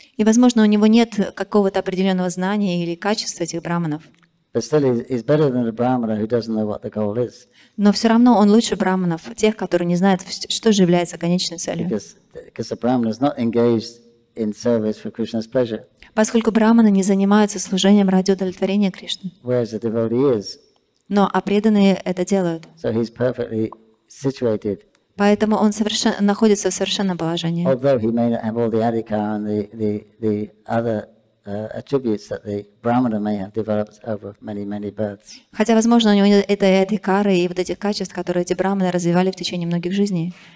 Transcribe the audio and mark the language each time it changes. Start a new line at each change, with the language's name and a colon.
Russian: И, возможно, у него нет какого-то определенного знания или качества этих брахманов.
English: But still, he's better than the brahmana who doesn't know what the goal is.
Russian: Но все равно он лучше брахманов, тех, которые не знают, что же является конечной целью.
English: Because the brahmana is not engaged in service for Krishna's pleasure.
Russian: Поскольку брахманы не занимаются служением ради удовлетворения Кришны.
English: Whereas the devotee is.
Russian: Но а преданные это делают.
English: So he's perfectly situated.
Russian: Поэтому он находится в совершенном положении.
English: Although he may not have all the adhikara and the other attributes that the brahmana may have developed over many many births.
Russian: Хотя, возможно, у него нет и адхикары, и вот этих качеств, которые эти брахманы развивали в течение многих жизней.